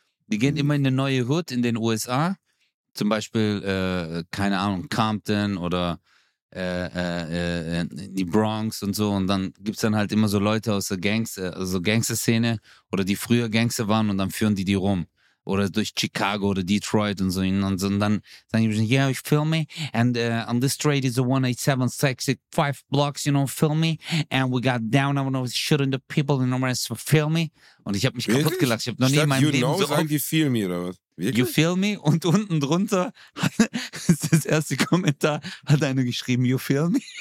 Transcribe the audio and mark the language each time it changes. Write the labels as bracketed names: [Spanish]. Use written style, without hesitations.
[German] Die gehen immer in eine neue Hood in den USA. Zum Beispiel, keine Ahnung, Compton oder die Bronx und so. Und dann gibt's dann halt immer so Leute aus der Gangster, also Gangster-Szene oder die früher Gangster waren und dann führen die rum. Oder durch Chicago oder Detroit und so. Und dann sagen die, [English] yeah, you feel me? And on this street is a 18765 blocks, you know, feel me? And we got down, I don't know, shooting the people in the rest, feel me? [German] Und ich hab mich kaputt gelacht. Ich hab noch nie in meinem Leben so oft... [English] You feel me, [German] oder was? [English] Wirklich? You feel me? [German] Und unten drunter hat das erste Kommentar hat einer geschrieben, [English] you feel me?